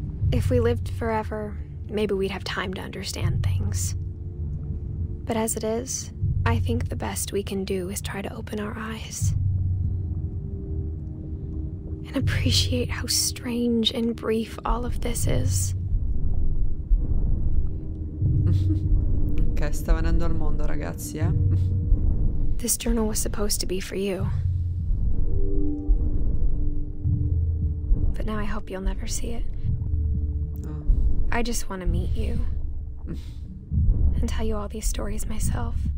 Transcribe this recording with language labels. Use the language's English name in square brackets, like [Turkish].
[English] If we lived forever, maybe we'd have time to understand things. But as it is, I think the best we can do is try to open our eyes. And appreciate how strange and brief all of this is. [Italian] Ok, sta venendo al mondo, ragazzi, eh? [English] This journal was supposed to be for you. But now I hope you'll never see it. I just want to meet you and tell you all these stories myself.